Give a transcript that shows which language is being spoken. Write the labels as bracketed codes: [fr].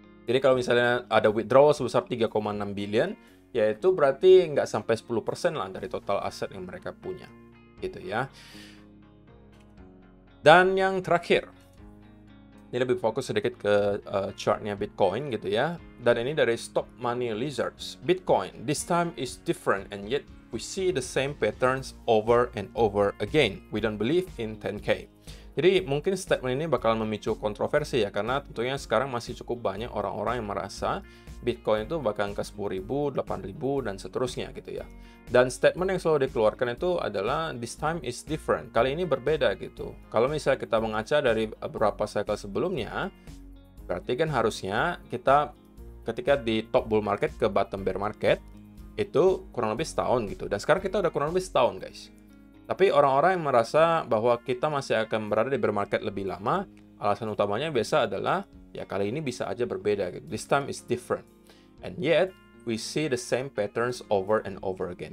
[id] Jadi kalau misalnya ada withdrawal sebesar 3,6 billion, yaitu berarti nggak sampai 10% lah dari total aset yang mereka punya. Gitu ya. Dan yang terakhir, ini lebih fokus sedikit ke chartnya Bitcoin gitu ya. Dan ini dari Stock Money Lizards. [en] Bitcoin, this time is different and yet we see the same patterns over and over again. We don't believe in 10K. [id] Jadi mungkin statement ini bakalan memicu kontroversi ya, karena tentunya sekarang masih cukup banyak orang-orang yang merasa Bitcoin itu bakalan ke 10.000, 8.000, dan seterusnya gitu ya. Dan statement yang selalu dikeluarkan itu adalah [en] this time is different. [id] Kali ini berbeda gitu. Kalau misalnya kita mengaca dari beberapa cycle sebelumnya, berarti kan harusnya kita ketika di top bull market ke bottom bear market, itu kurang lebih setahun gitu. Dan sekarang kita udah kurang lebih setahun guys. Tapi orang-orang yang merasa bahwa kita masih akan berada di bear market lebih lama, alasan utamanya biasa adalah ya kali ini bisa aja berbeda gitu. [en] This time is different and yet we see the same patterns over and over again.